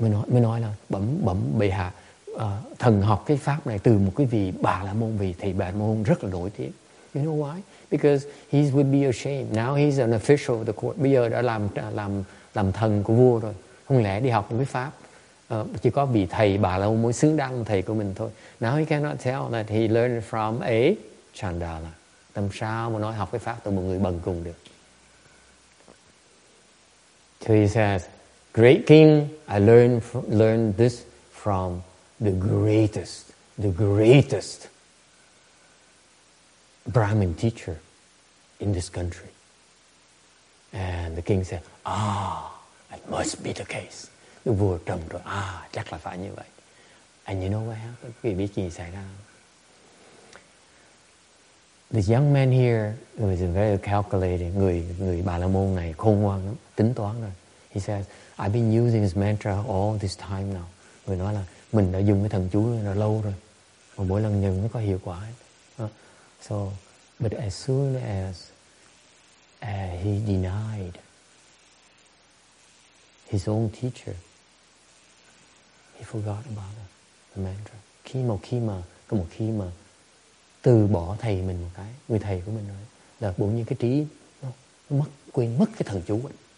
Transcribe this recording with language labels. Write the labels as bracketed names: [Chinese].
[Vietnamese] Mình nói là bẩm bệ hạ, thần học cái pháp này từ một cái vị bà la môn, vị thầy bà la môn rất là nổi tiếng. [English] You know why? Because he would be ashamed. Now he's an official of the court. [Vietnamese] Bây giờ đã làm thần của vua rồi. Không lẽ đi học một cái pháp chỉ có vị thầy bà la môn mới xứng đáng là thầy của mình thôi. [English] Now he cannot tell that he learned from a chandala. [Vietnamese] Làm sao mà nói học cái pháp từ một người bần cùng được? [English] So he says, great king, I learned this from the greatest Brahmin teacher in this country. And the king said, it must be the case. [Vietnamese] The vua trầm rồi, chắc là phải như vậy. [English] And you know what happened? [Vietnamese] Quý vị biết gì xảy ra? [English] This young man here, who is very calculating, [Vietnamese] người bà la môn này khôn ngoan lắm, tính toán rồi. [English] He says, I've been using his mantra all this time now. [Vietnamese] Người nói là mình đã dùng cái thần chú này lâu rồi, mà mỗi lần nhận nó có hiệu quả. [English] So, but as soon as he denied his own teacher, he forgot about the mantra. [Vietnamese] Khi mà từ bỏ thầy mình một cái, người thầy của mình rồi, là bỗng nhiên cái trí nó mất, quên mất cái thần chú ấy.